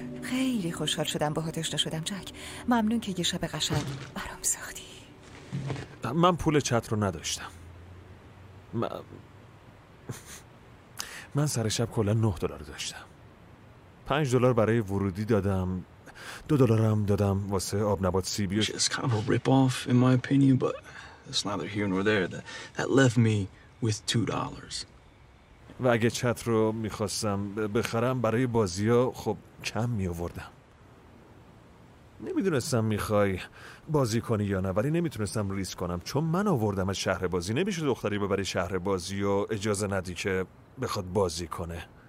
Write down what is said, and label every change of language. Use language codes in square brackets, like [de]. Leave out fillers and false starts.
[fa] خیلی خوشحال شدم باهات آشنا شدم جک. ممنون که یه شب قشنگ برام ساختی. من پول چتر رو نداشتم. من سر شب کلا 9 دلار داشتم. 5 دلار برای ورودی دادم. 2 دلارم دادم واسه آب نبات سیبی. [en] It's kind of a rip off in my opinion, but it's neither here nor there. That left me with $2. [fa] و اگه چتر رو میخواستم بخرم برای بازی ها خب کم میآوردم. نمیدونستم میخوای بازی کنی یا نه، ولی نمیتونستم ریسک کنم چون من آوردم از شهر بازی. نمیشه دختری ببری شهر بازی و اجازه ندی که بخواد بازی کنه.